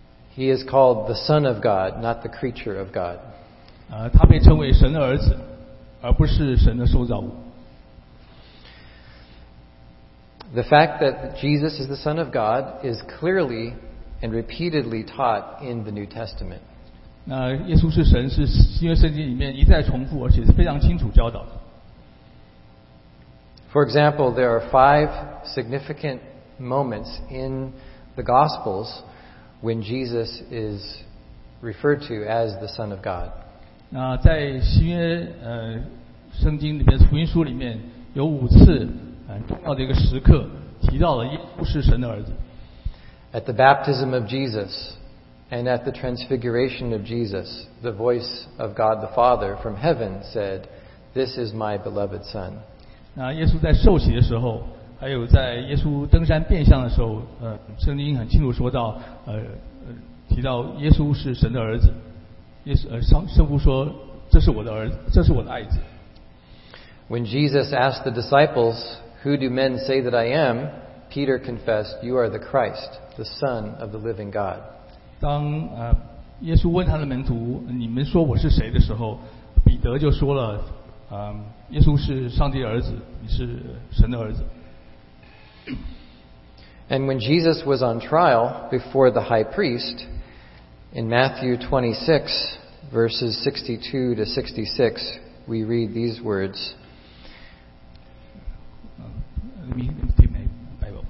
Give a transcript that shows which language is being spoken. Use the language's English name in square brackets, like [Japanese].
[English] He is called the Son of God, not the creature of God. [Chinese] 他被称为神的儿子，而不是神的受造物。 [English] The fact that Jesus is the Son of God is clearly and repeatedly taught in the New Testament. [Chinese] 那耶稣是神是新约圣经里面一再重复，而且是非常清楚教导的。 [English] For example, there are 5 significant moments in the Gospels. When Jesus is referred to as the Son of God. [Chinese] 在新约圣经里面福音书里面有五次重要的一个时刻提到了耶稣是神的儿子。 [English] At the baptism of Jesus and at the transfiguration of Jesus, the voice of God the Father from heaven said, "This is my beloved Son." [Chinese] 耶稣在受洗的时候。还有在耶稣登山变相的时候，圣经很清楚说到，提到耶稣是神的儿子，耶稣圣父说这是我的儿子，这是我的爱子。 [English] When Jesus asked the disciples, "Who do men say that I am?" Peter confessed, "You are the Christ, the Son of the Living God." [Chinese] 当耶稣问他的门徒，你们说我是谁的时候，彼得就说了，耶稣是上帝的儿子，你是神的儿子。 [English] And when Jesus was on trial before the high priest, in Matthew 26, verses 62 to 66, we read these words. Let me take my Bible.